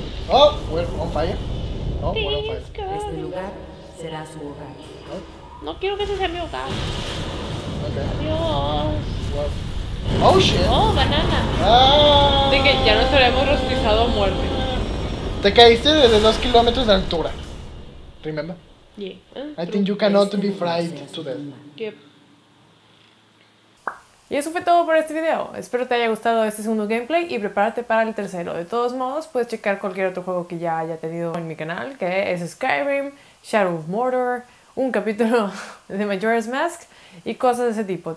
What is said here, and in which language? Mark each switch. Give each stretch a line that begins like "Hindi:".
English: Oh, we're on fire. Oh, we're on fire.
Spanish: Este lugar será su hogar. No quiero que ese sea mi hogar.
English: Okay.
Spanish: Adiós.
English: Wow. Oh, shit. Oh, banana. Ah.
Spanish: Así que ya nos habremos rostizado a muerte. Te caíste desde 2 kilómetros de altura.
English: Remember? Yeah. I think you cannot be fried to death. Yep.
Spanish: Y eso fue todo por este video, espero te haya gustado este segundo gameplay y prepárate para el tercero. De todos modos, puedes checar cualquier otro juego que ya haya tenido en mi canal, que es Skyrim, Shadow of Mordor, un capítulo de Majora's Mask y cosas de ese tipo.